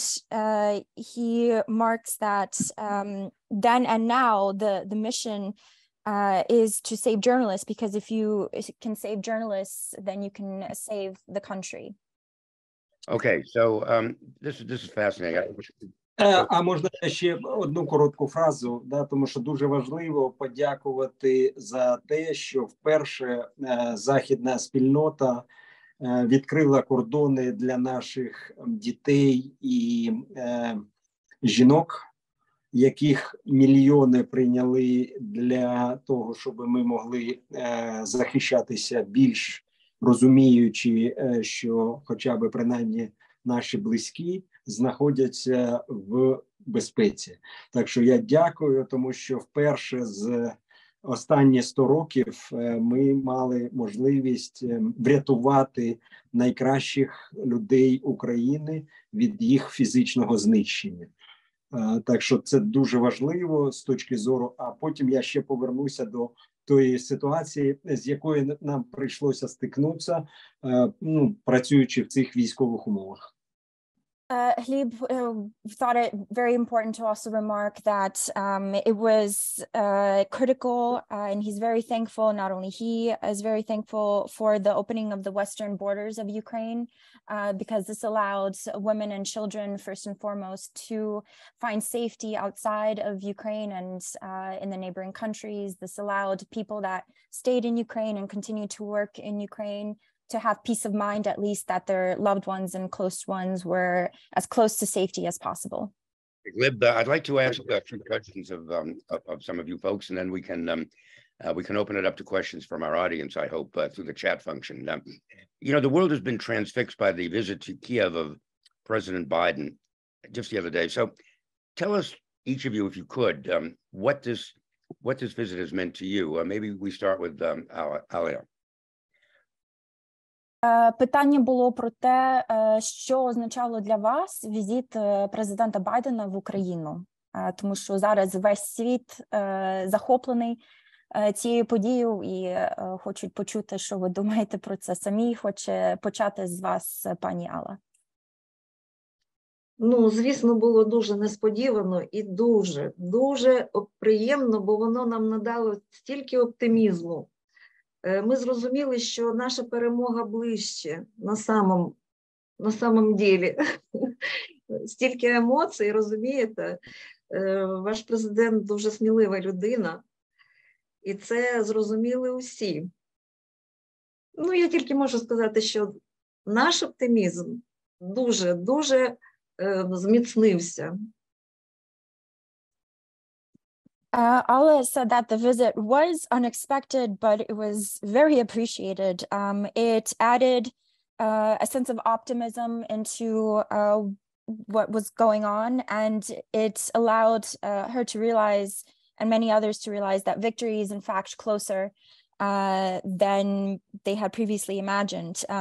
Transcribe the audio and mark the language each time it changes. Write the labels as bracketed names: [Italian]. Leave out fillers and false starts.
[English] And he marks that then and now the mission is to save journalists, because if you can save journalists, then you can save the country. Okay, so this is fascinating. [Ukrainian] А можна ще одну коротку фразу, да, тому що дуже важливо подякувати за те, що вперше західна спільнота відкрила кордони для наших дітей і жінок, яких мільйони прийняли для того, щоб ми могли захищатися більш, розуміючи, що хоча б принаймні наші близькі знаходяться в безпеці. Так що я дякую, тому що вперше з останні 100 років ми мали можливість врятувати найкращих людей України від їх фізичного знищення. Так що це дуже важливо з точки зору, а потім я ще повернуся до тої ситуації, з якою нам прийшлося стикнутися, ну, працюючи в цих військових умовах. [English] Hlib thought it very important to also remark that it was critical, and he's very thankful, not only he is very thankful for the opening of the western borders of Ukraine, because this allowed women and children, first and foremost, to find safety outside of Ukraine and in the neighboring countries. This allowed people that stayed in Ukraine and continued to work in Ukraine to have peace of mind, at least, that their loved ones and close ones were as close to safety as possible. Glib, I'd like to ask a few questions of some of you folks, and then we can open it up to questions from our audience, I hope, through the chat function. You know, the world has been transfixed by the visit to Kiev of President Biden just the other day. So tell us, each of you, if you could, what this visit has meant to you. Maybe we start with Alina. [Ukrainian] Питання було про те, що означало для вас візит президента Байдена в Україну, тому що зараз весь світ захоплений цією подією і хочуть почути, що ви думаєте про це самі. Хоче почати з вас, пані Алла. Ну, звісно, було дуже несподівано і дуже, дуже приємно, бо воно нам надало стільки оптимізму. Ми зрозуміли, що наша перемога ближче на самом ділі. Стільки емоцій, розумієте? Ваш президент дуже смілива людина, і це зрозуміли усі. Ну, я тільки можу сказати, що наш оптимізм дуже-дуже зміцнився. [English] Alla said that the visit was unexpected, but it was very appreciated. It added a sense of optimism into what was going on, and it allowed her to realize, and many others to realize, that victory is in fact closer than they had previously imagined.